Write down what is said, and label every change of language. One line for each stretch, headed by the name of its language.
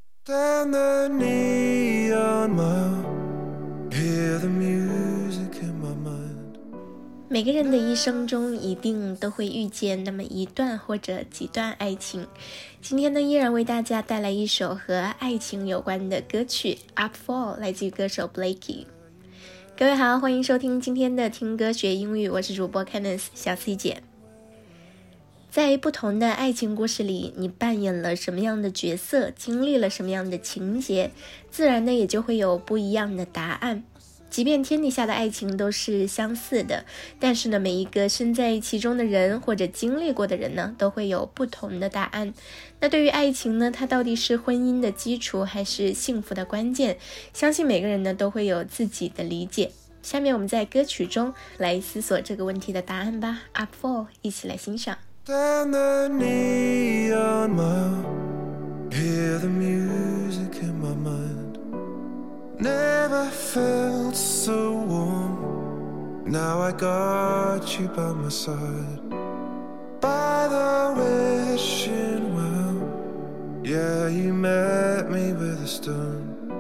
English: Stand the neon mile, hear the music in my mind.
Chinese: 每个人的一生中一定都会遇见那么一段或者几段爱情。今天呢，依然为大家带来一首和爱情有关的歌曲 Upfall， 来自于歌手 Blakey。各位好，欢迎收听今天的听歌学英语，我是主播 Candice 小 C 姐。在不同的爱情故事里，你扮演了什么样的角色，经历了什么样的情节，自然呢也就会有不一样的答案。即便天底下的爱情都是相似的，但是呢每一个身在其中的人或者经历过的人呢都会有不同的答案。那对于爱情呢，它到底是婚姻的基础还是幸福的关键，相信每个人呢都会有自己的理解。下面我们在歌曲中来思索这个问题的答案吧， Upfall 一起来欣赏。
English: Stand the neon mile, hear the music in my mind. Never felt so warm, now I got you by my side. By the wishing well, yeah, you met me with a stone.